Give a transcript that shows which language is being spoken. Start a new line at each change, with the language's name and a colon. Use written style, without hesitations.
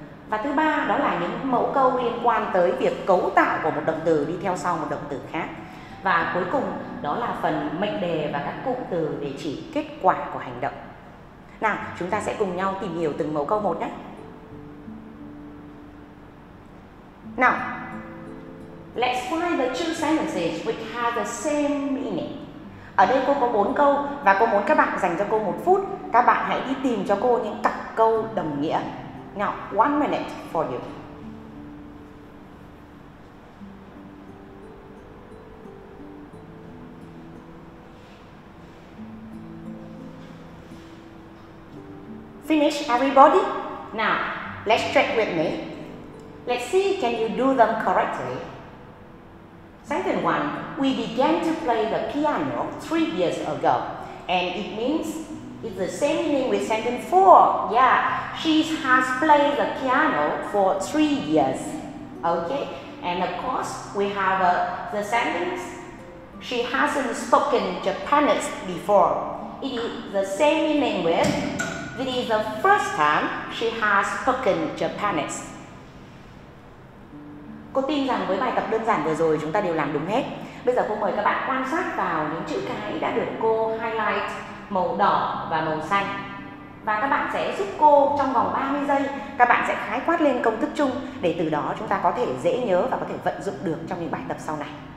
Vietnamese: Và thứ ba đó là những mẫu câu liên quan tới việc cấu tạo của một động từ đi theo sau một động từ khác. Và cuối cùng đó là phần mệnh đề và các cụm từ để chỉ kết quả của hành động. Nào, chúng ta sẽ cùng nhau tìm hiểu từng mẫu câu một nhé.
English: Now, let's find the two sentences which have the same meaning.
Vietnamese: Ở đây cô có 4 câu và cô muốn các bạn dành cho cô 1 phút. Các bạn hãy đi tìm cho cô những cặp câu đồng nghĩa.
English: Now, 1 minute for you. Finish everybody? Now, let's check with me. Let's see, can you do them correctly? Sentence 1. We began to play the piano 3 years ago. And it means, it's the same meaning with sentence 4. Yeah, she has played the piano for 3 years. Okay, and of course, we have the sentence, she hasn't spoken Japanese before. It is the same meaning with, this is the first time she has spoken Japanese.
Vietnamese: Cô tin rằng với bài tập đơn giản vừa rồi chúng ta đều làm đúng hết. Bây giờ cô mời các bạn quan sát vào những chữ cái đã được cô highlight màu đỏ và màu xanh. Và các bạn sẽ giúp cô trong vòng 30 giây, các bạn sẽ khái quát lên công thức chung để từ đó chúng ta có thể dễ nhớ và có thể vận dụng được trong những bài tập sau này.